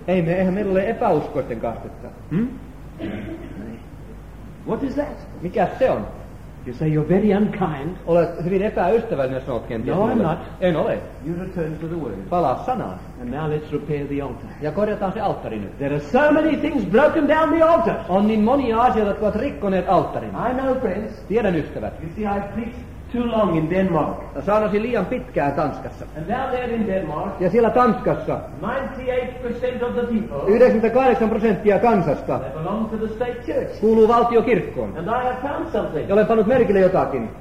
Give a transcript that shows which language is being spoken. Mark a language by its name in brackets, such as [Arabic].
[Finnish] Ei me, eihän meillä ole epäuskoisten kastetta. Hmm? [English] What is that? [Finnish] Mikä se on? [English] You say you're very unkind. [Finnish] Olet hyvin epäystävällinen, jos sanot kenties. [English] No, I'm not. [Finnish] En ole. [English] You return to the word. [Finnish] Palaa sanaan. [English] And now let's repair the altar. [Finnish] Ja korjataan se alttari nyt. [English] There are so many things broken down the altar. [Finnish] On niin monia asioita, jotka ovat rikkoneet alttarin. [English] I know, friends. [Finnish] Tiedän, ystävät. [English] You see, I've preached too long in Denmark. [Finnish] Saanasi liian pitkään Tanskassa. [English] And now they're in Denmark. [Finnish] Ja siellä Tanskassa. [English] 98% of the people. [Finnish] 98% kansasta. [English] They belong to the state church. [Finnish] Kuuluu valtiokirkkoon. [English] And I have found something. [Finnish] Ja olen pannut merkille jotakin.